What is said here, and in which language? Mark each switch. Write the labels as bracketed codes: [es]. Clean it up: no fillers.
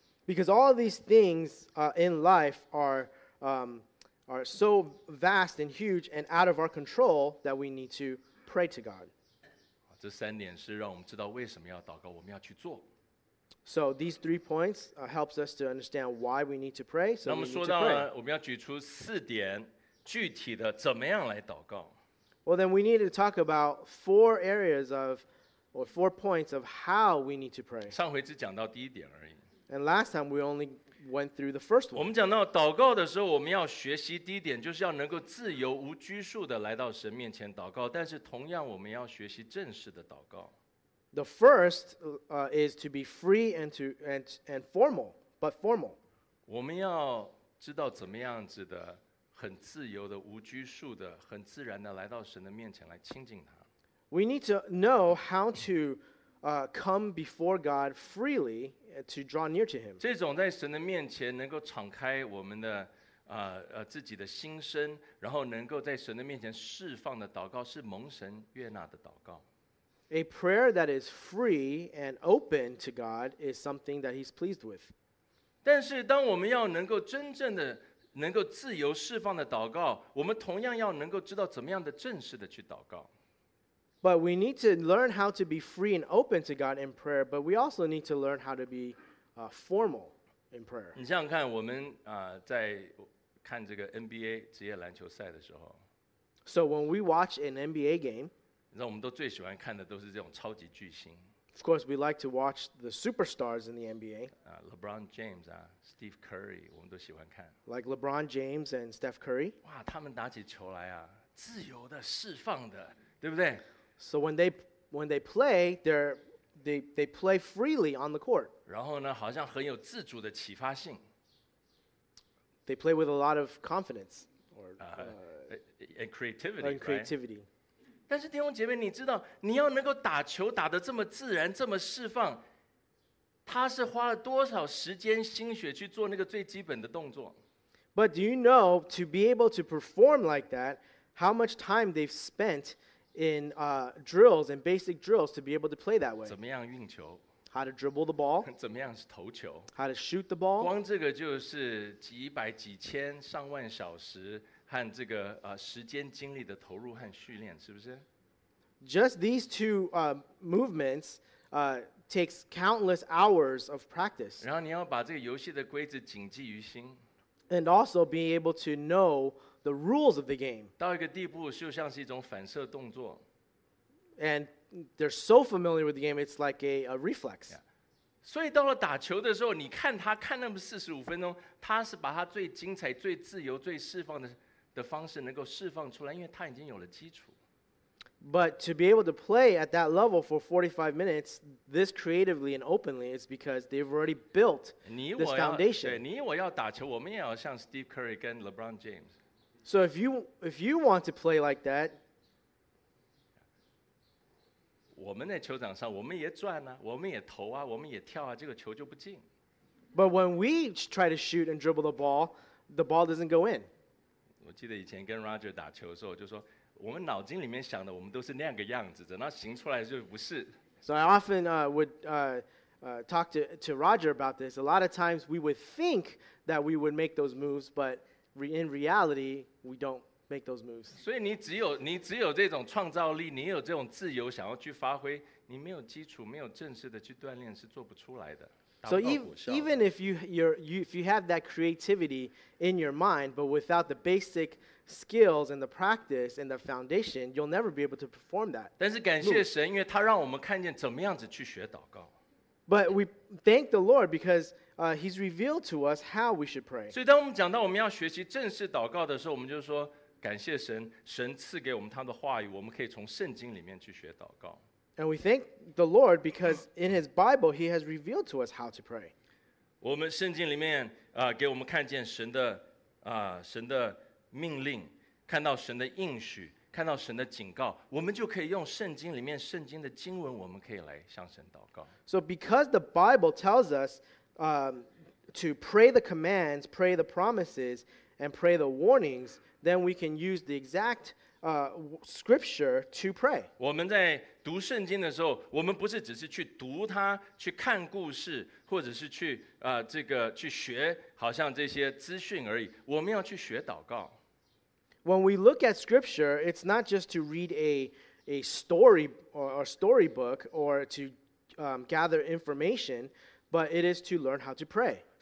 [en] Because all these things in life are so vast and huge and out of our control that we need to pray to God. [zh] 这三点是让我们知道为什么要祷告，我们要去做。 [en] So these three points helps us to understand why we need to pray. So [zh] 那么说到呢，我们要举出四点具体的怎么样来祷告。 [en] Well, then we need to talk about four areas of, or four points of how we need to pray. [zh] 上回只讲到第一点而已。 [en] And last time we only went through the first one. [zh] 我们讲到祷告的时候，我们要学习第一点，就是要能够自由无拘束的来到神面前祷告。但是同样，我们要学习正式的祷告。 [en] The first is to be free and formal, but formal. [zh] 我们要知道怎么样子的。很自由的无拘束的很自然的来到神的面前来亲近他。 [en] We need to know how to come before God freely to draw near to him. [zh] 这种在神的面前能够敞开我们的自己的心声，然后能够在神的面前释放的祷告是蒙神悦纳的祷告。 [en] A prayer that is free and open to God is something that he's pleased with. [zh] 但是当我们要能够真正的能够自由释放的祷告，我们同样要能够知道怎么样的正式的去祷告。 [en] But we need to learn how to be free and open to God in prayer. But we also need to learn how to be formal in prayer. [zh] 你想想看，我们在看这个 NBA 职业篮球赛的时候 [en] ，So when we watch an NBA game， [zh] 你知道我们都最喜欢看的都是这种超级巨星。 [en] Of course, we like to watch the superstars in the NBA. [zh] LeBron James, Steve Curry, 我们都喜欢看。 [en] Like LeBron James and Steph Curry. [zh] 哇，他们打起球来啊，自由的，释放的，对不对 [en] ？So when they play, they play freely on the court. [zh] 然后呢，好像很有自主的启发性。 [en] They play with a lot of confidence or and creativity. And creativity.、 Right? [zh] 但是弟兄姐妹，你知道，你要能够打球打得这么自然、这么释放，他是花了多少时间、心血去做那个最基本的动作 [en] ？But do you know to be able to perform like that, how much time they've spent in drills and basic drills to be able to play that way? [zh] 怎么样运球 [en] ？How to dribble the ball? [zh] 怎么样投球 [en] ？How to shoot the ball? [zh] 光这个就是几百、几千、上万小时。和这个时间精力的投入和训练，是不是 [en] ？Just these two movements takes countless hours of practice. [zh] 然后你要把这个游戏的规则谨记于心 [en] ，and also be able to know the rules of the game. [zh] 到一个地步，就像是一种反射动作 [en] ，and they're so familiar with the game, it's like a reflex.、Yeah. [zh] 所以到了打球的时候，你看他看那么四十五分钟，他是把他最精彩、最自由、最释放 的方式能够释放出来，因为他已经有了基础。 [en] But to be able to play at that level for 45 minutes, this creatively and openly is because they've already built this foundation. [zh] 你我要打球，我们也要像 Steve Curry 跟 LeBron James. [en] So if you want to play like that. [zh] 我们在球场上，我们也转啊，我们也投啊，我们也跳啊，这个球就不进。 [en] But when we try to shoot and dribble the ball doesn't go in. [zh] 我记得以前跟 Roger 打球的时候，就说我们脑筋里面想的，我们都是那样个样子的，那行出来就不是。 [en] So I often would talk to Roger about this. A lot of times we would think that we would make those moves, but in reality, we don't. Make those moves. [zh] 所以你只有这种创造力，你有这种自由想要去发挥，你没有基础，没有正式的去锻炼是做不出来的。 [en] So even if you have that creativity in your mind, but without the basic skills and the practice and the foundation, you'll never be able to perform that. [zh] 但是感谢神，因为他让我们看见怎么样子去学祷告。 [en] But we thank the Lord because. He's revealed to us how we should pray. [zh] 所以当我们讲到我们要学习正式祷告的时候，我们就说感谢神，神赐给我们他的话语，我们可以从圣经里面去学祷告。 [en] And we thank the Lord because in His Bible He has revealed to us how to pray. [zh] 我们圣经里面给我们看见神的神的命令，看到神的应许，看到神的警告，我们就可以用圣经里面圣经的经文，我们可以来向神祷告。 [en] So because the Bible tells us to pray the commands, pray the promises, and pray the warnings, then we can use the exact scripture to pray. [zh] 我们在读圣经的时候，我们不是只是去读它，去看故事，或者是去这个去学，好像这些资讯而已。我们要去学祷告。 [en] When we look at scripture, it's not just to read a story or a storybook or to gather information, but it is to learn how to pray.